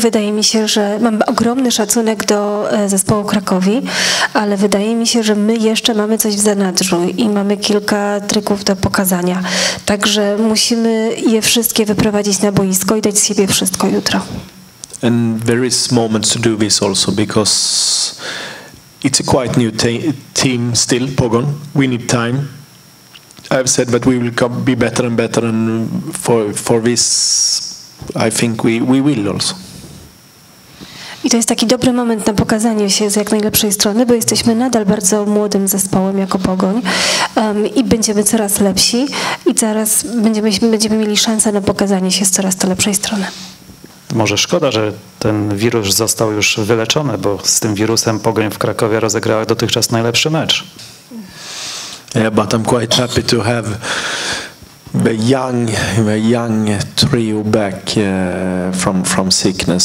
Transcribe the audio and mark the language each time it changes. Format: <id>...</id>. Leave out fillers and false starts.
<pl>Wydaje mi się, że mam ogromny szacunek do zespołu Krakowi, ale wydaje mi się, że my jeszcze mamy coś w zanadrzu i mamy kilka trików do pokazania. Także musimy je wszystkie wyprowadzić na boisko i dać z siebie wszystko jutro.</pl> <en>And there is moments to do this also, because it's a quite new team still, Pogon. We need time. I've said that we will be better and better, and for this, I think we will also.</en> <pl>I to jest taki dobry moment na pokazanie się z jak najlepszej strony, bo jesteśmy nadal bardzo młodym zespołem jako Pogoń i będziemy coraz lepsi i coraz będziemy mieli szansę na pokazanie się z coraz to lepszej strony. Może szkoda, że ten wirus został już wyleczony, bo z tym wirusem Pogoń w Krakowie rozegrała dotychczas najlepszy mecz.</pl> <en>Yeah, but I'm quite happy to have the young trio back from sickness.</en>